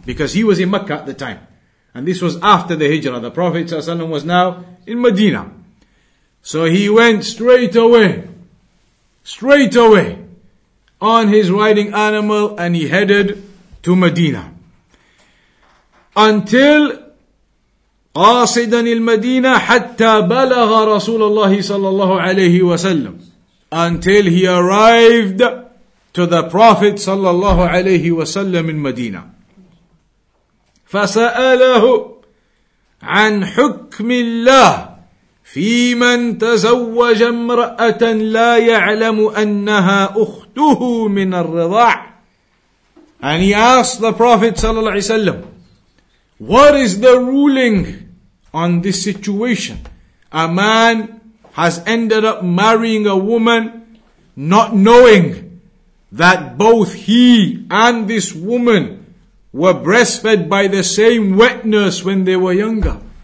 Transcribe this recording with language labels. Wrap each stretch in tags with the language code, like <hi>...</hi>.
<en>Because he was in Mecca at the time. And this was after the Hijrah. The Prophet ﷺ was now in Medina. So he went straight away. Straight away. On his riding animal, and he headed to Medina. Until</en> <ar>قاصداً المدينة حتى بلغ رسول الله صلى الله عليه وسلم.</ar> <en>Until he arrived to the Prophet</en> <ar>صلى الله عليه وسلم</ar> <en>in Medina.</en> <ar>فسأله عن حكم الله في من تزوج امرأة لا يعلم أنها أخته من الرضاع.</ar> <en>And he asked the Prophet sallallahu alaihi wasallam, what is the ruling on this situation? A man has ended up marrying a woman not knowing that both he and this woman were breastfed by the same wet nurse when they were younger.</en>